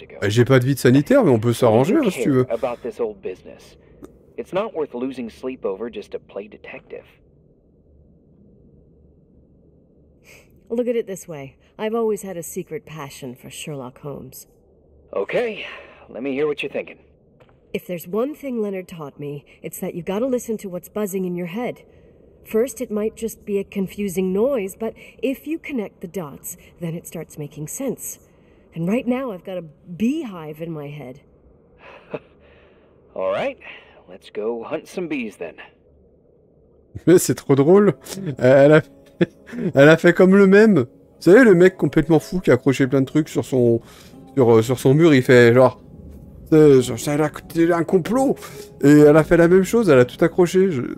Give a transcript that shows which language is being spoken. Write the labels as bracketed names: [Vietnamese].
[French] J'ai pas de vide sanitaire, mais on peut s'arranger, si tu veux. [English] About this old business. It's not worth losing sleep over just to play detective. Look at it this way. I've always had a secret passion for Sherlock Holmes. Okay, let me hear what you're thinking. If there's one thing Leonard taught me, it's that you gotta listen to what's buzzing in your head. First, it might just be a confusing noise, but if you connect the dots, then it starts making sense. And right now, I've got a beehive in my head. All right, let's go hunt some bees then. [French] Mais c'est trop drôle. Elle a fait comme le mème. Vous savez, le mec complètement fou qui a accroché plein de trucs sur son sur son mur, il fait genre. C'est un complot. Et elle a fait la même chose, elle a tout accroché.